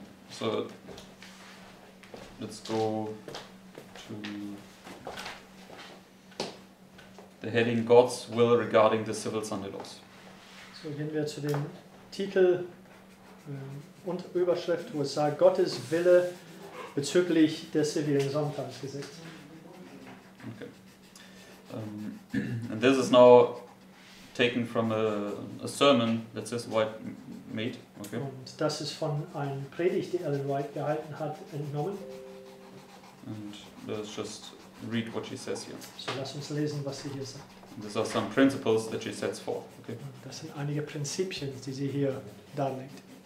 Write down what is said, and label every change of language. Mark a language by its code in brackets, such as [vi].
[en] So let's go to the heading God's Will Regarding the Civil Sunday Laws. [de] So gehen wir zu dem Titel und Überschrift, wo es sagt Gottes Wille bezüglich des zivilen Sonntagsgesetzes. Okay. [en] And this is now taken from a sermon that Sis White made. Okay. [de] Und das ist von einem Predigt, die Ellen White gehalten hat, entnommen. [en] And let's just read what she says here. [de] So lass uns lesen, was sie hier sagt. [en] And these are some principles that she sets forth. Okay. [de] Das sind einige Prinzipien, die sie hier darlegt.